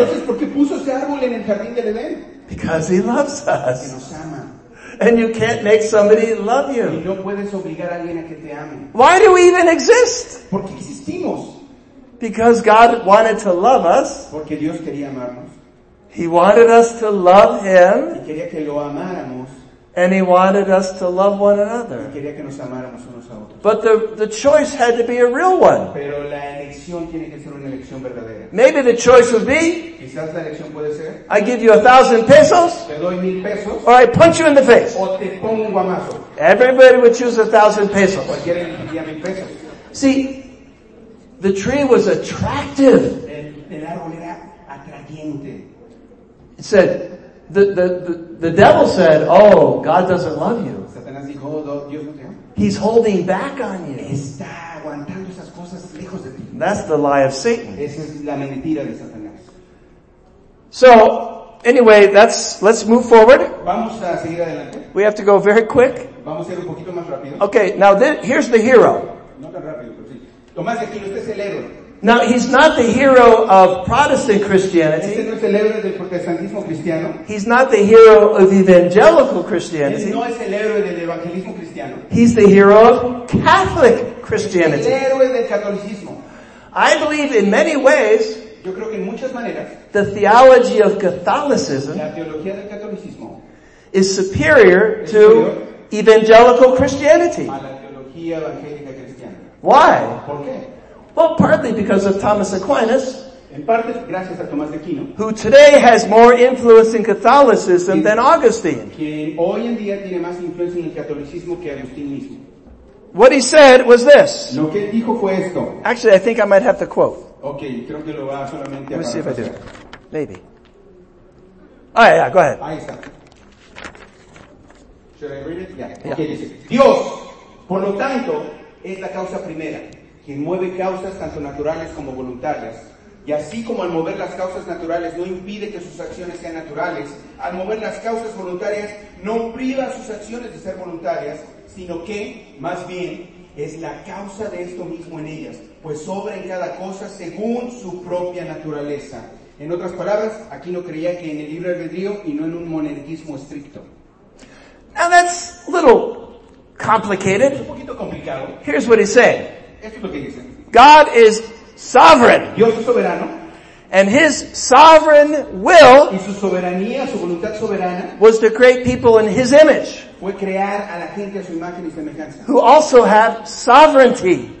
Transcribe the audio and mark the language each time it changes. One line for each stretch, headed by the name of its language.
Spanish: Entonces, ¿por qué puso ese árbol en el jardín del Edén?
English: Because he loves us.
Spanish: Porque nos ama.
English: And you can't make somebody love you.
Spanish: Y no puedes obligar a alguien a que te ame.
English: Why do we even exist?
Spanish: Porque existimos.
English: Because God wanted to love us.
Spanish: Porque Dios quería amarnos.
English: He wanted us to love him.
Spanish: Y quería que lo amáramos.
English: And he wanted us to love one another.
Spanish: Y quería que nos amáramos unos a otros.
English: But the choice had to be a real one.
Spanish: Pero la elección tiene que ser una elección verdadera.
English: Maybe the choice would be,
Spanish: quizás la elección puede ser,
English: I give you 1,000 pesos,
Spanish: te doy 1,000 pesos,
English: or I punch you in the face.
Spanish: O te pongo un guamazo.
English: Everybody would choose 1,000 pesos.
Spanish: Cualquiera elegiría 1,000 pesos.
English: See, the tree was attractive.
Spanish: El árbol era atrayente.
English: It said, the devil said, oh, God doesn't love you.
Spanish: Satanás dijo, oh, Dios no te ama.
English: He's holding back on you.
Spanish: Está aguantando esas cosas lejos de ti.
English: That's the lie of Satan.
Spanish: Esa es la mentira de Satanás.
English: So, anyway, let's move forward.
Spanish: Vamos a seguir adelante.
English: We have to go very quick.
Spanish: Vamos a ir un poquito más rápido.
English: Okay, now here's the hero.
Spanish: No tan rápido, pero sí. Tomás de Aquino, este es el héroe.
English: Now, he's not the hero of Protestant Christianity.
Spanish: Este no es el héroe del protestantismo cristiano.
English: He's not the hero of evangelical Christianity.
Spanish: Este no es el héroe del evangelismo cristiano.
English: He's the hero of Catholic Christianity.
Spanish: Este es el héroe del catolicismo.
English: I believe in many ways,
Spanish: yo creo que en muchas maneras,
English: the theology of Catholicism,
Spanish: la teología del catolicismo,
English: is superior to evangelical Christianity.
Spanish: A la teología evangélica cristiana.
English: Why?
Spanish: ¿Por qué?
English: Well, partly because of Thomas Aquinas,
Spanish: en parte, gracias a Tomás de Aquino,
English: who today has more influence in Catholicism than Augustine.
Spanish: Quien hoy en día tiene más influencia en el catolicismo que Agustín mismo.
English: What he said was this.
Spanish: Lo que dijo fue esto.
English: Actually, I think I might have the quote.
Spanish: Okay, creo que lo va solamente
English: a Let me see if I do it. Maybe. Ah, right, yeah, go ahead.
Spanish: Ahí está.
English: Should I read it? Yeah. Yeah. Okay,
Spanish: dice, Dios, por lo tanto, es la causa primera. Quien mueve causas tanto naturales como voluntarias. Y así como al mover las causas naturales no impide que sus acciones sean naturales, al mover las causas voluntarias no priva sus acciones de ser voluntarias, sino que, más bien, es la causa de esto mismo en ellas, pues obra en cada cosa según su propia naturaleza. En otras palabras, aquí no creía que en el libre albedrío y no en un monerquismo estricto.
English: Now that's a little complicated.
Spanish: Un poquito complicado.
English: Here's what he said.
Spanish: Esto es lo que dice.
English: God is sovereign.
Spanish: Dios es soberano.
English: And his sovereign will
Spanish: y su soberanía, su voluntad soberana,
English: was to create people in his image.
Spanish: Fue crear a la gente a su imagen y semejanza.
English: Who also have sovereignty.